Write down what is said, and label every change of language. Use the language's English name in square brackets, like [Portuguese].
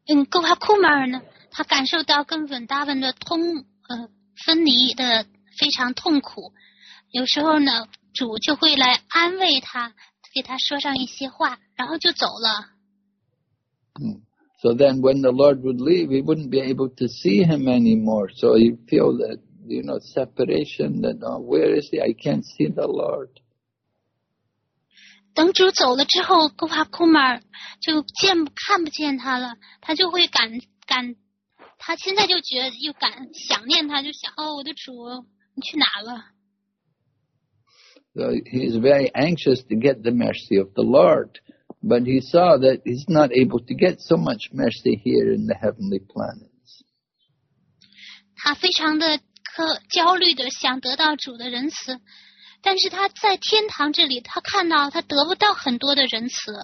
[Chinese] Gopa Kumar 呢，他感受到跟 Vrindavan 的分离的非常痛苦，有时候呢，主就会来安慰他，给他说上一些话，然后就走了。 [English] So then when the Lord would leave, he wouldn't be able to see him anymore. So he'd feel that, you know, separation, that, oh, where is he? I can't see the Lord. [Chinese] 等主走了之后，格瓦库马尔就见看不见他了，他就会感他现在就觉得又感想念他，就想，哦，我的主，你去哪了？ [English] So he's very anxious to get the mercy of the Lord, but he saw that he's not able to get so much mercy here in the heavenly planets. [Chinese] 他非常的焦虑的想得到主的仁慈，但是他在天堂这里，他看到他得不到很多的仁慈。